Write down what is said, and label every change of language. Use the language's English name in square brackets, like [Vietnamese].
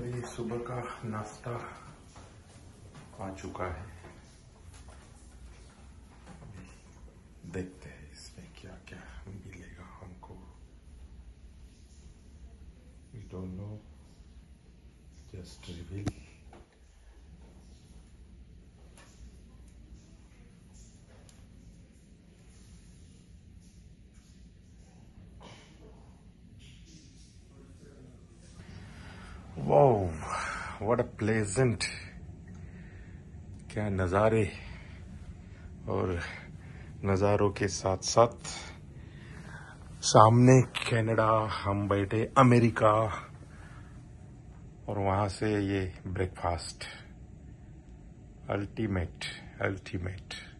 [Hindi] सुबह का नाश्ता आ चुका है, देखते हैं इसमें क्या क्या मिलेगा हमको। [English] We don't know, just reveal. Wow, what a pleasant, [Hindi] क्या नज़ारे। और नज़ारों के साथ साथ सामने कनाडा, हम बैठे अमेरिका और वहां से ये ब्रेकफास्ट, अल्टीमेट।